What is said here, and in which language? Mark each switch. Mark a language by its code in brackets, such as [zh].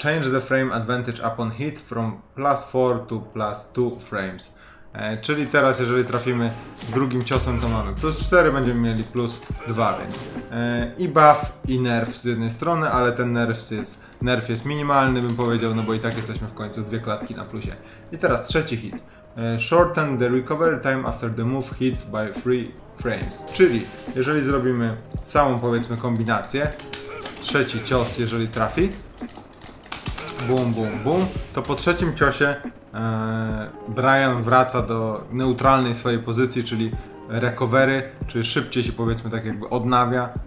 [en] Change the frame advantage upon hit from plus 4 to plus 2 frames. [pl] Czyli teraz, jeżeli trafimy drugim ciosem, to mamy plus 4, będziemy mieli plus 2, więc i buff, i nerf z jednej strony, ale ten nerf jest minimalny, bym powiedział, no bo i tak jesteśmy w końcu dwie klatki na plusie. I teraz trzeci hit. [en] Shorten the recovery time after the move hits by 3 frames. [pl] Czyli jeżeli zrobimy całą, powiedzmy, kombinację, trzeci cios, jeżeli trafi, bum, bum, bum, to po trzecim ciosie Brian wraca do neutralnej swojej pozycji, czyli recovery, czyli szybciej się, powiedzmy, tak jakby odnawia.